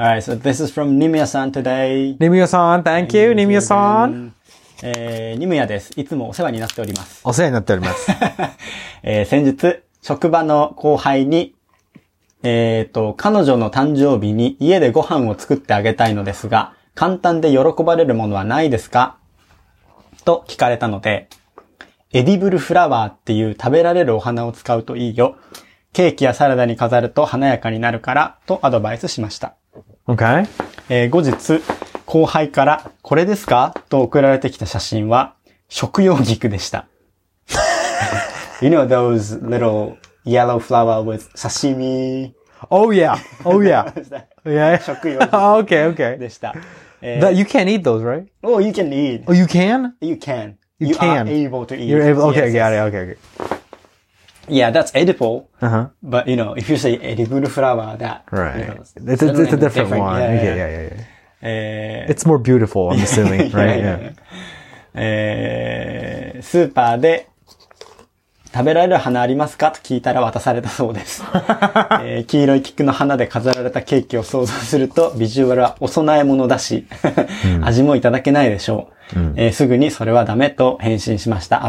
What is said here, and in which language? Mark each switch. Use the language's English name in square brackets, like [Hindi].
[English] All right, so this is from Nimuya-san today. Nimuya-san, thank you, Nimuya-san. [Japanese] Nimuya です。いつもお世話になっております。お世話になっております。先日、職場の後輩に、彼女の誕生日に家でご飯を作ってあげたいのですが、簡単で喜ばれるものはないですか? と聞かれたので、エディブルフラワーっていう食べられるお花を使うといいよ。ケーキやサラダに飾ると華やかになるからとアドバイスしました。 [English] Okay. [Japanese] 後日、後輩からこれですか?と送られてきた写真は食用菊でした。 [English] You know those little yellow flower with 刺身? Oh yeah, oh yeah. Yeah. Okay, okay. [Japanese] でした。 [English] That you can't eat those, right? Oh, you can eat. Oh, you can? You can. You can. You are able to eat. You're able. Okay, yes, got it. Okay, okay. Yeah, that's edible. Uh-huh. But you know, if you say edible flower, that right, you know, it's a different, different one. Yeah, okay, yeah, yeah, yeah. It's more beautiful, I'm assuming, yeah, right? Yeah. [Japanese] スーパーで食べられる花ありますか?と聞いたら渡されたそうです、黄色い菊の花で飾られたケーキを想像するとビジュアルはお供え物だし味もいただけないでしょう、うん、すぐにそれはダメと返信しました。